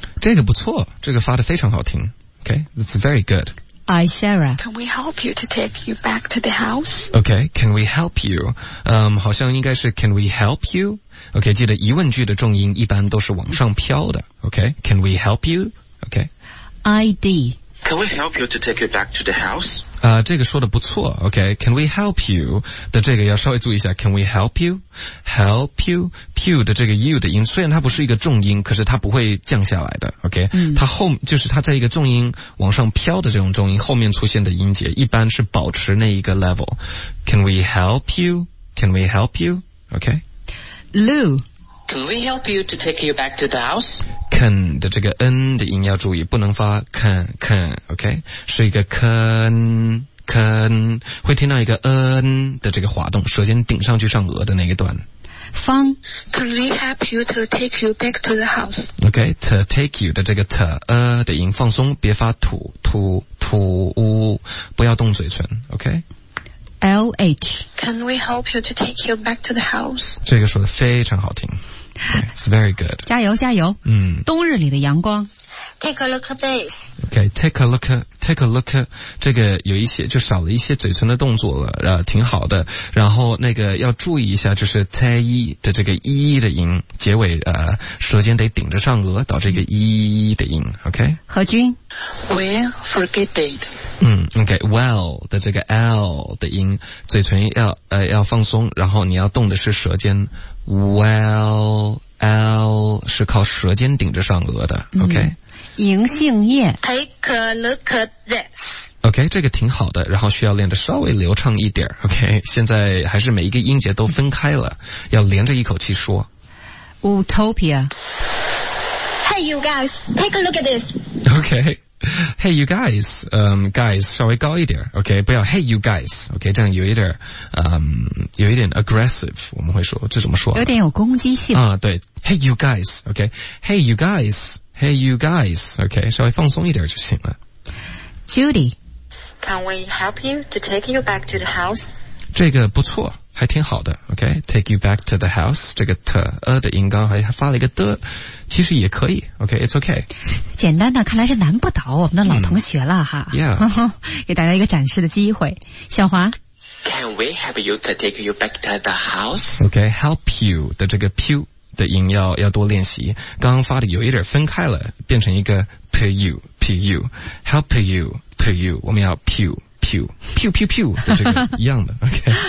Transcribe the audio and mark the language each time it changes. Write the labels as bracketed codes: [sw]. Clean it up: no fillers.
[zh] 这个不错，这个发得非常好听。 [en] Okay, it's very good. I, Sarah. Can we help you to take you back to the house? Okay, can we help you? [zh] 好像应该是 [en] can we help you? [zh] Okay, 记得疑问句的重音一般都是往上飘的。 [en] Okay, can we help you? Okay. I, D. Can we help you to take you back to the house? [zh] 这个说得不错。 [en] Okay, can we help you? [zh] 的这个要稍微注意一下。 [en] Can we help you? Help you? [zh] Pew 的这个 you 的音，虽然它不是一个重音，可是它不会降下来的。 Okay, 它后就是它在一个重音往上飘的这种重音后面出现的音节，一般是保持那一个 level. [en] Can we help you? Can we help you? Okay. Lou, can we help you to take you back to the house? [zh] can 的这个 n 的音要注意，不能发 can，OK，、okay? 是一个 can， 会听到一个 n 的这个滑动，舌尖顶上去上颚的那一段。方 [en] ，Can we help you to take you back to the house？OK，、 [zh] okay? to take you 的这个 t 的音放松，别发吐呜，不要动嘴唇 ，OK。 LH [en] Can we help you to take you back to the house? [zh] 这个说的非常好听 [en] It's very good [zh] 加油加油、冬日里的阳光 [en] Take a look at this [zh] Okay, take a look at 这个有一些就少了一些嘴唇的动作了挺好的然后那个要注意一下就是 take 的这个 e 的音结尾舌尖得顶着上颚到这个 e 的音 OK 何君 [en] We'll forget it [zh] Okay, well 的这个 L 的音嘴唇要放松然后你要动的是舌尖 well L 是靠舌尖顶着上颚的 OK、银杏叶 [en] Take a look at this [zh] OK 这个挺好的然后需要练得稍微流畅一点 OK 现在还是每一个音节都分开了、要连着一口气说 [en] Utopia Hey you guys Take a look at this [zh] OK [en] Hey you guys、 [zh] guys 稍微高一点 OK 不要 Hey you guys OK 这样有一点、有一点 aggressive 我们会说这怎么说有点有攻击性啊、对 [en] Hey you guys OK Hey you guysHey, you guys. [zh] Okay, 稍微放松一点就行了。 [en] Judy, can we help you to take you back to the house? [zh] 这个不错，还挺好的。 [en] Okay, take you back to the house. [zh] 这个 t 的音刚还发了一个的，其实也可以。 [en] Okay, it's okay. [zh] 简单的，看来是难不倒我们的老同学了哈。 [en] Yeah, [zh] 给大家一个展示的机会。小华。 [en] Can we help you to take you back to the house? [zh] Okay, help you 的这个 pu 的音要多练习。刚刚发的有一点分开了，变成一个 pu pu help you pu， 我们要 pu pu pu pu pu 的这个一样的。OK，